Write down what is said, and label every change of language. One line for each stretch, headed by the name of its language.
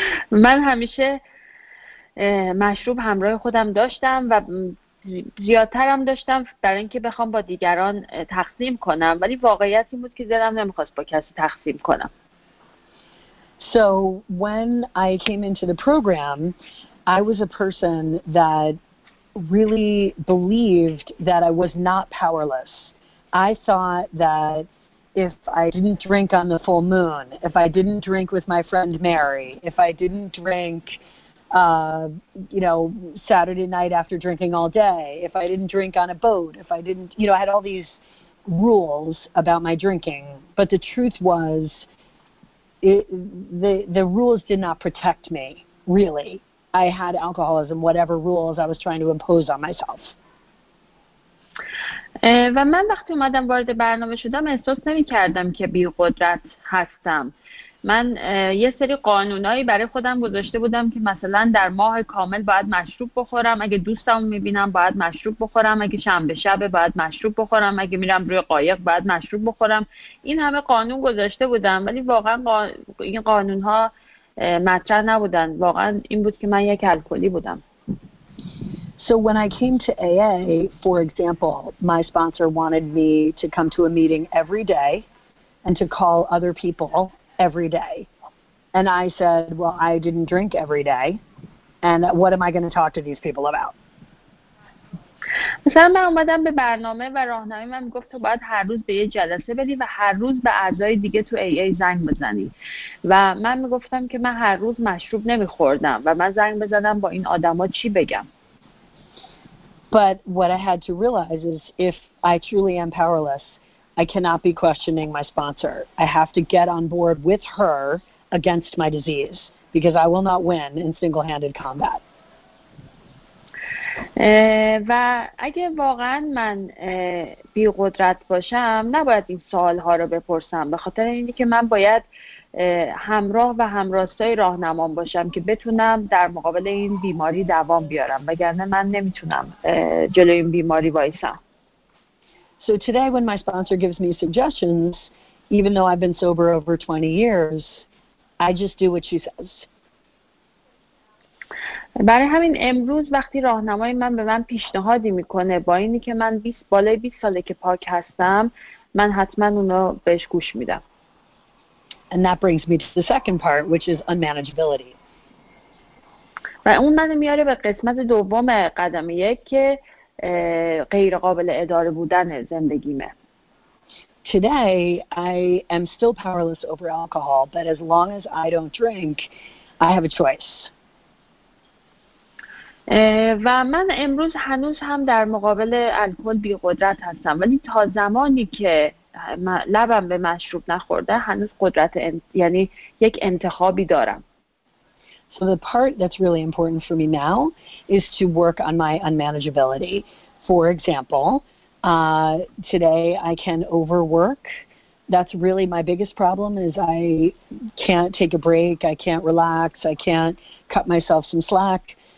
Persian: من همیشه مشروب همراه خودم داشتم و زیادترم داشتم در اینکه بخوام با دیگران تقسیم کنم، ولی واقعیت این بود که دلم نمیخواست با کسی تقسیم کنم.
English: So when I came into the program, I was a person that really believed that I was not powerless. I thought that if I didn't drink on the full moon, if I didn't drink with my friend Mary, if I didn't drink, Saturday night after drinking all day, if I didn't drink on a boat, if I didn't, you know, I had all these rules about my drinking. But the truth was, the rules did not protect me, really. I had alcoholism, whatever rules I was trying to impose on myself.
Persian: و من وقتی اومدم وارد برنامه شدم، احساس نمی کردم که بی قدرت هستم. من یه سری قانونایی برای خودم گذاشته بودم که مثلا در ماه کامل باید مشروب بخورم، اگه دوستامو میبینم باید مشروب بخورم، اگه شنبه شب باید مشروب بخورم، اگه میرم روی قایق باید مشروب بخورم. این همه قانون گذاشته بودم، ولی واقعا این قانونها مطرح نبودن. واقعا این بود که من یک الکلی بودم.
English: So when I came to AA, for example, my sponsor wanted me to come to a meeting every day and to call other people every day. And I said, well, I didn't drink every day. And what am I going to talk to these people about?
Persian: مثلا من اومدم به برنامه و راهنمایی من میگفت تو باید هر روز به یه جلسه بری و هر روز به اعضای دیگه تو AA زنگ بزنی. و من میگفتم که من هر روز مشروب نمیخوردم و من زنگ بزنم با این آدما چی بگم.
English: But what I had to realize is if I truly am powerless, I cannot be questioning my sponsor. I have to get on board with her against my disease because I will not win in single-handed combat.
Persian: و اگه واقعا من بی قدرت باشم نباید این سوال ها رو بپرسم، به خاطر اینی که من باید همراه و همراستای راهنمام باشم که بتونم در مقابل این بیماری دوام بیارم، وگرنه من نمیتونم جلوی این بیماری وایسم.
English: So today when my sponsor gives me suggestions, even though I've been sober over 20 years, I just do what she says.
Persian: برای همین امروز وقتی راهنمای من به من پیشنهادی میکنه با اینی که من 20 بالای 20 ساله که پاک هستم، من حتما اونو بهش گوش میدم.
English: And that brings me to the second part, which is unmanageability.
Persian: و اون منو میاره به قسمت دوم قدم یک که غیر قابل اداره بودن زندگیمه.
English: Today I am still powerless over alcohol, but as long as I don't drink, I have a choice.
Persian: و من امروز هنوز هم در مقابل الکل بی قدرت هستم، ولی تا زمانی که لبم به مشروب نخورده هنوز قدرت یعنی یک انتخابی دارم.
English: So the part that's really important for me now is to work on my unmanageability. For example, today I can overwork. That's really my biggest problem is I can't take a break, I can't relax, I can't cut myself some slack.